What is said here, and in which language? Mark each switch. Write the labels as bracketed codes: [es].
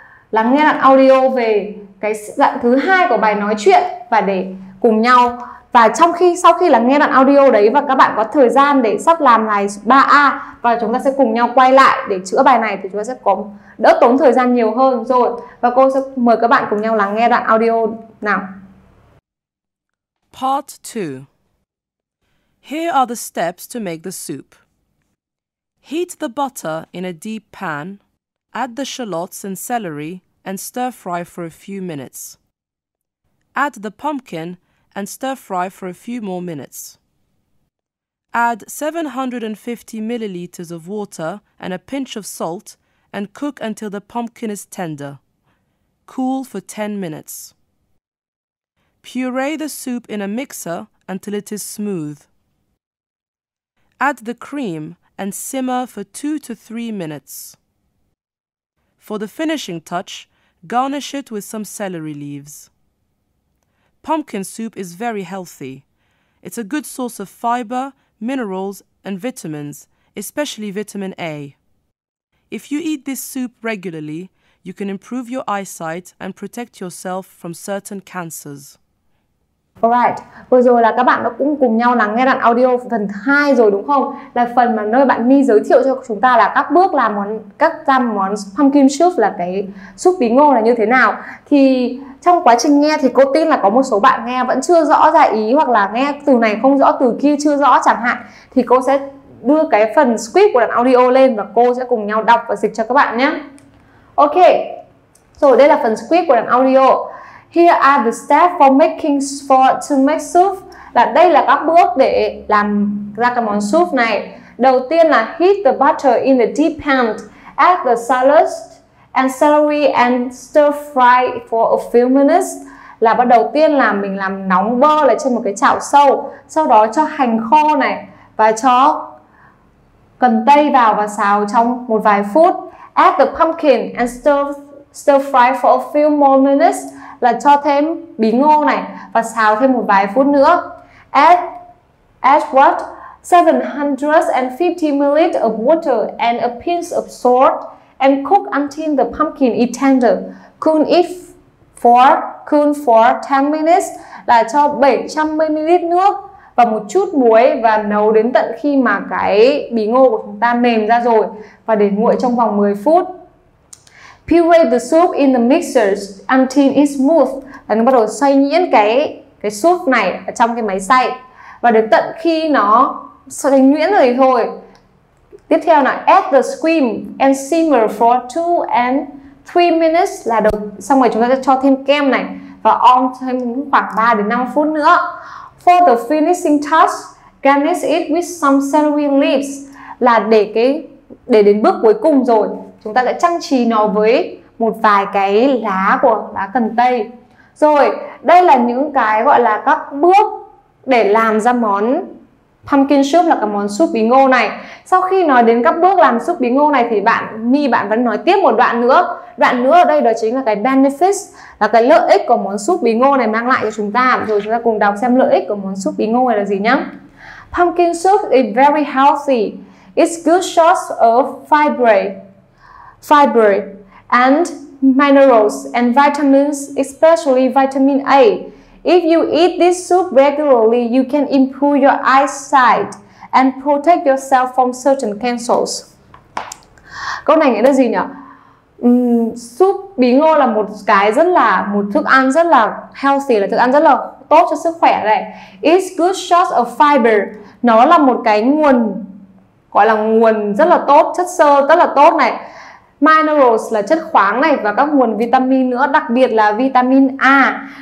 [vi] Lắng nghe đoạn audio về cái đoạn thứ 2 của bài nói chuyện và để cùng nhau. Và trong khi sau khi lắng nghe đoạn audio đấy và các bạn có thời gian để sắp làm bài 3A và chúng ta sẽ cùng nhau quay lại để chữa bài này thì chúng ta sẽ có đỡ tốn thời gian nhiều hơn rồi. Và cô sẽ mời các bạn cùng nhau lắng nghe đoạn audio nào. [en] Part 2. Here are the steps to make the soup. Heat the butter in a deep pan, add the shallots and celery and stir fry for a few minutes. Add the pumpkin and stir fry for a few more minutes. Add 750 milliliters of water and a pinch of salt and cook until the pumpkin is tender. Cool for 10 minutes. Puree the soup in a mixer until it is smooth. Add the cream and simmer for 2 to 3 minutes. For the finishing touch, garnish it with some celery leaves. Pumpkin soup is very healthy. It's a good source of fiber, minerals, and vitamins, especially vitamin A. If you eat this soup regularly, you can improve your eyesight and protect yourself from certain cancers. [vi] Alright, vừa rồi là các bạn đã cũng cùng nhau lắng nghe đoạn audio phần 2 rồi đúng không? Là phần mà nơi bạn My giới thiệu cho chúng ta là các bước làm món, các ra món pumpkin soup là cái súp bí ngô là như thế nào. Thì trong quá trình nghe thì cô tin là có một số bạn nghe vẫn chưa rõ ra ý, hoặc là nghe từ này không rõ, từ kia chưa rõ chẳng hạn. Thì cô sẽ đưa cái phần script của đoạn audio lên và cô sẽ cùng nhau đọc và dịch cho các bạn nhé. Ok, rồi đây là phần script của đoạn audio. [en] Here are the steps for making soup. [vi] Là đây là các bước để làm ra cái món soup này. Đầu tiên là [en] heat the butter in the deep pan, add the shallot and celery and stir fry for a few minutes. [vi] Là bắt đầu tiên là mình làm nóng bơ lại trên một cái chảo sâu, sau đó cho hành khô này và cho cần tây vào và xào trong một vài phút. [en] Add the pumpkin and stir fry for a few more minutes. [vi] Là cho thêm bí ngô này và xào thêm một vài phút nữa. [en] Add what? 750 ml of water and a pinch of salt and cook until the pumpkin is tender. Cool for 10 minutes. [vi] Là cho 700 ml nước và một chút muối và nấu đến tận khi mà cái bí ngô của chúng ta mềm ra rồi và để nguội trong vòng 10 phút. [en] Puree the soup in the mixer until it's smooth. [vi] Là nó bắt đầu xoay nhuyễn cái soup này ở trong cái máy xay và đến tận khi nó xoay nhuyễn rồi thôi. Tiếp theo là [en] add the cream and simmer for 2 and 3 minutes. [vi] Là được. Xong rồi chúng ta sẽ cho thêm kem này và on thêm khoảng 3 đến 5 phút nữa. [en] For the finishing touch, garnish it with some celery leaves. [vi] Là để đến bước cuối cùng rồi, chúng ta sẽ trang trí nó với một vài cái lá cần tây. Rồi, đây là những cái gọi là các bước để làm ra món pumpkin soup, là cái món súp bí ngô này. Sau khi nói đến các bước làm súp bí ngô này thì bạn vẫn nói tiếp một đoạn nữa. Đoạn nữa ở đây đó chính là cái benefits, là cái lợi ích của món súp bí ngô này mang lại cho chúng ta. Rồi chúng ta cùng đọc xem lợi ích của món súp bí ngô này là gì nhé. [en] Pumpkin soup is very healthy. It's good source of fiber and minerals and vitamins, especially vitamin A. If you eat this soup regularly, you can improve your eyesight and protect yourself from certain cancers. [vi] Câu này nghĩa là gì nhỉ? Soup bí ngô là một thức ăn rất là healthy, là thức ăn rất là tốt cho sức khỏe này. [en] It's good source of fiber. [vi] Nó là một cái nguồn gọi là nguồn rất là tốt, chất xơ rất là tốt này, minerals là chất khoáng này, và các nguồn vitamin nữa, đặc biệt là vitamin A.